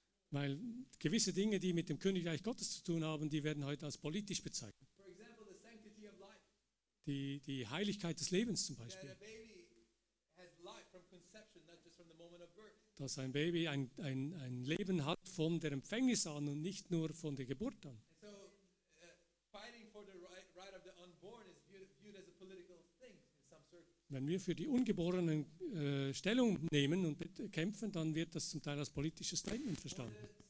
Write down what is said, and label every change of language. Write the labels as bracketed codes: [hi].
[de] Weil gewisse Dinge, die mit dem Königreich Gottes zu tun haben, die werden heute als politisch bezeichnet. [en] For example, the sanctity of life. [de] Die Heiligkeit des Lebens zum Beispiel. [en] That a baby has life from conception, not just from the moment of birth. [de] Dass ein Baby ein Leben hat von der Empfängnis an und nicht nur von der Geburt an. [en] So, fighting for the right of the unborn is viewed as a political thing in some circles. [de] Wenn wir für die Ungeborenen Stellung nehmen und kämpfen, dann wird das zum Teil als politisches Statement verstanden.